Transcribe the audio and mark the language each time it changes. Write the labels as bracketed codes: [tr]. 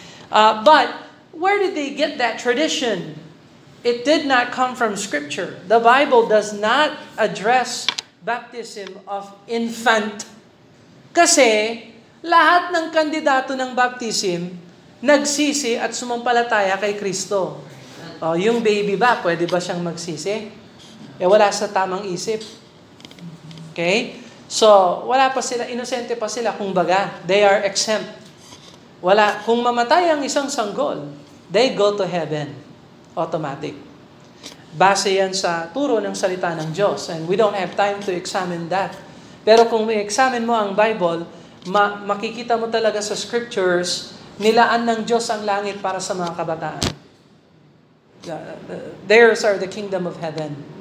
[en] But where did they get that tradition? It did not come from Scripture. The Bible does not address baptism of infant. [tl] Kasi lahat ng kandidato ng baptism nagsisi at sumampalataya kay Kristo. Yung baby ba, pwede ba siyang magsisi? Eh wala sa tamang isip. Okay? So, wala pa sila, inosente pa sila, kumbaga, [en] they are exempt. [tl] Wala, kung mamatay ang isang sanggol, [en] they go to heaven, automatic. [tl] Base yan sa turo ng salita ng Diyos, [en] and we don't have time to examine that. [tl] Pero kung i-examine mo ang Bible, makikita mo talaga sa scriptures, nilaan ng Diyos ang langit para sa mga kabataan. [en] Theirs are the kingdom of heaven.